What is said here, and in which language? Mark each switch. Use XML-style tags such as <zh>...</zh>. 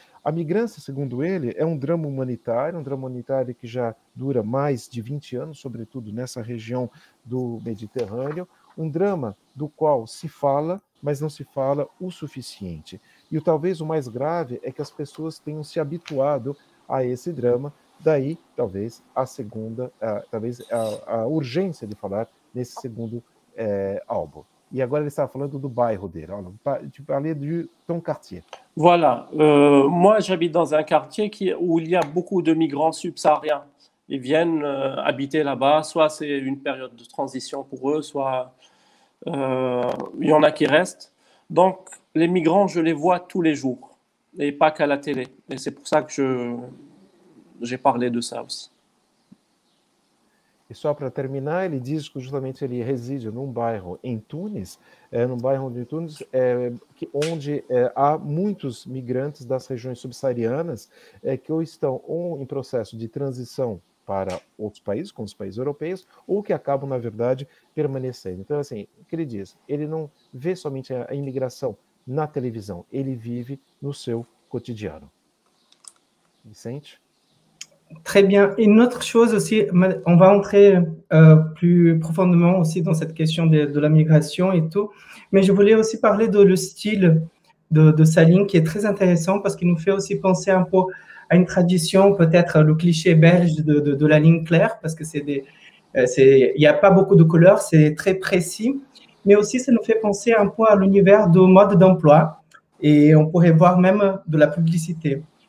<pt>A migrância, segundo ele, é um drama humanitário que já dura mais de 20 anos, sobretudo nessa região do Mediterrâneo, um drama do qual se fala, mas não se fala o suficiente. E talvez o mais grave é que as pessoas tenham se habituado a esse drama. Daí, talvez, a urgência de falar nesse segundo álbum. E agora ele estava falando do bairro dele. Olha, de falar de</pt> <fr>ton quartier. Voilà. Moi, j'habite dans un quartier où il y a beaucoup de migrants subsahariens. Ils viennent habiter là-bas. Soit c'est une période de transition pour eux, soit il y en a qui restent. Donc, les migrants, je les vois tous les jours. Et pas qu'à la télé. Et c'est pour ça que j'ai parlé de ça aussi.</fr> <pt>E só para terminar, ele diz que justamente ele reside num bairro em Tunis, há muitos migrantes das regiões subsaarianas que ou estão ou em processo de transição para outros países, como os países europeus, ou que acabam, na verdade, permanecendo. Então, assim, o que ele diz? Ele não vê somente a imigração na televisão, ele vive no seu cotidiano. Vicente?</pt> <fr>Très bien. Une autre chose aussi, on va entrer plus profondément aussi dans cette question de la migration et tout, mais je voulais aussi parler de le style de Salim qui est très intéressant parce qu'il nous fait aussi penser un peu à une tradition, peut-être le cliché belge de la ligne claire, parce qu'il n'y a pas beaucoup de couleurs, c'est très précis, mais aussi ça nous fait penser un peu à l'univers de mode d'emploi et on pourrait voir même de la publicité.</fr>